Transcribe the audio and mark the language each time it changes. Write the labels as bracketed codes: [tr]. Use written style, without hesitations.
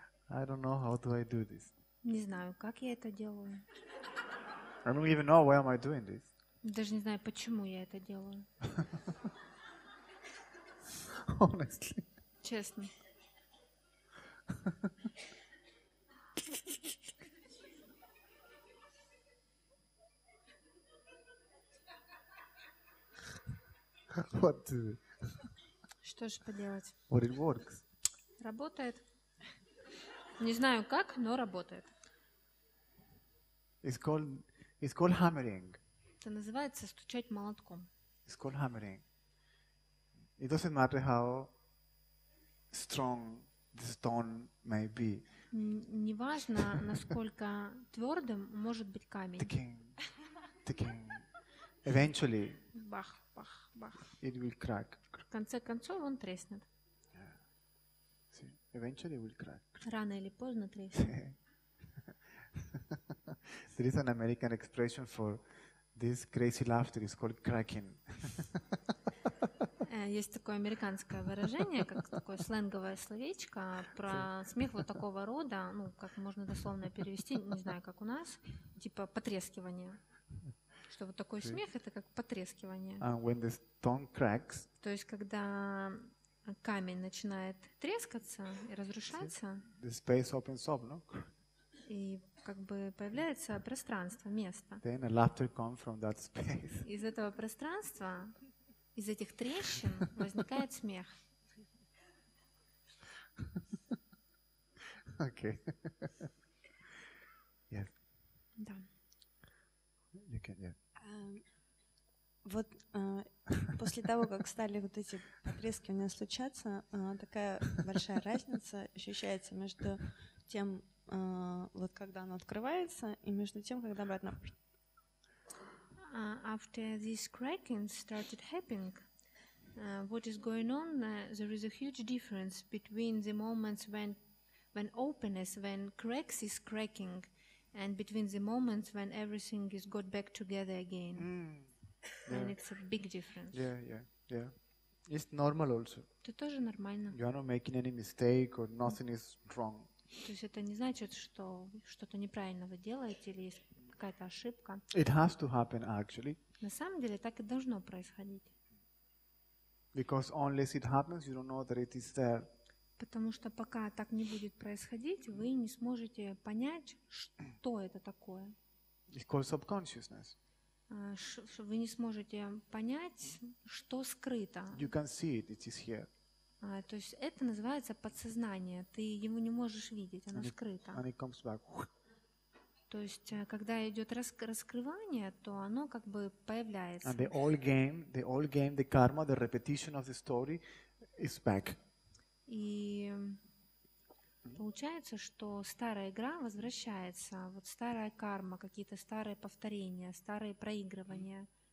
[en] I don't know, how do I do this? [ru] Не знаю, как я это делаю. [en] I don't even know, why am I doing this? [ru] Даже не знаю, почему я это делаю. [en] Honestly. [ru] Честно. [en] What to do? [ru] Что же поделать? [en] But it works. [ru] Работает. Не знаю как, но работает. [en] It's called hammering. [ru] Это называется стучать молотком. [en] It's called hammering. It doesn't matter how strong the stone may be. [ru] Не важно, насколько твердым может быть камень. [en] Ticking. Eventually. [ru] Бах, бах, бах. [en] It will crack. [ru] В конце концов он треснет. [en] Eventually it will crack. [ru] Рано или поздно треснет. [en] There is an American expression for this crazy laughter. It's called cracking. [ru] Есть такое американское выражение, как такое сленговое словечко про смех вот такого рода, ну, как можно дословно перевести, не знаю, как у нас, типа потрескивание. Что вот такой смех — это как потрескивание. [en] And when the stone cracks, [ru] то есть когда камень начинает трескаться и разрушаться, [en] the space opens up, no? [ru] И как бы появляется пространство, место. [en] Then a laughter comes from that space. [ru] Из этого пространства, из этих трещин возникает смех. [en] Okay. Yes. [ru] Да. [en] You can, yeah. [ru] Вот после того, как стали вот эти потрескивания случаться, такая большая разница ощущается между тем, вот когда оно открывается, и между тем, когда обратно. [en] After this cracking started happening, what is going on? There is a huge difference between the moments when openness, when cracks is cracking, and between the moments when everything is got back together again. Mm. Yeah. And it's a big difference. Yeah. It's normal also. [ru] Это тоже нормально. [en] You are not making any mistake or nothing is wrong. [ru] То есть это не значит, что что-то неправильно вы делаете или есть какая-то ошибка. [en] It has to happen actually. [ru] На самом деле так и должно происходить. [en] Because unless it happens, you don't know that it is there. [ru] Потому что пока так не будет происходить, вы не сможете понять, что это такое. [en] It's called subconsciousness. [ru] Вы не сможете понять, что скрыто. [en] You can see it, it is here. [ru] То есть это называется подсознание. Ты его не можешь видеть, оно [en] and [ru] скрыто. [en] And it comes back. [ru] То есть когда идет раскрывание, то оно как бы появляется. [en] And the old game, the karma, the repetition of the story is back. [ru] И получается, что старая игра возвращается, вот старая карма, какие-то старые повторения, старые проигрывания.